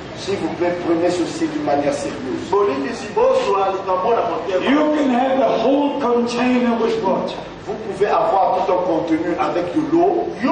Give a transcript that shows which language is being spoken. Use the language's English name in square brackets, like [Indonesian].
[French] S'il vous plaît, prenez ceci d'une manière sérieuse. [English] You can have the whole container with water. [French] Vous pouvez avoir tout un contenu avec de l'eau.